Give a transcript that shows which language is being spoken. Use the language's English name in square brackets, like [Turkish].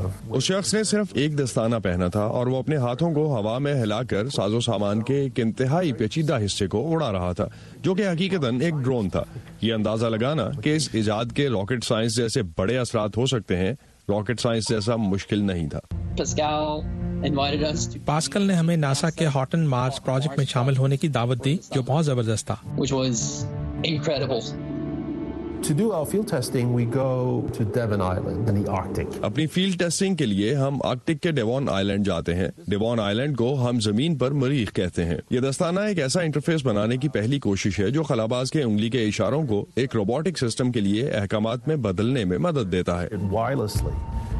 [Urdu] اس شخص نے صرف ایک دستانہ پہنا تھا اور وہ اپنے ہاتھوں کو ہوا میں ہلا کر ساز و سامان کے ایک انتہائی پیچیدہ حصے کو اڑا رہا تھا جو کہ حقیقتاً ایک ڈرون تھا. یہ اندازہ لگانا کہ اس ایجاد کے راکٹ سائنس جیسے بڑے اثرات ہو سکتے ہیں راکٹ سائنس جیسا مشکل نہیں تھا. پاسکل نے ہمیں ناسا کے ہاٹن مارس پروجیکٹ میں شامل ہونے کی دعوت دی جو بہت زبردست تھا. [English] To do our field testing, we go to Devon Island in the Arctic. [Urdu] اپنی فیلڈ ٹیسٹنگ کے لیے ہم آرکٹک کے ڈیوان آئیلینڈ جاتے ہیں. ڈیوان آئیلینڈ کو ہم زمین پر مریخ کہتے ہیں. یہ دستانہ ایک ایسا انٹرفیس بنانے کی پہلی کوشش ہے جو خلاباز کے انگلی کے اشاروں کو ایک روبوٹک سسٹم کے لیے احکامات میں بدلنے میں مدد دیتا ہے.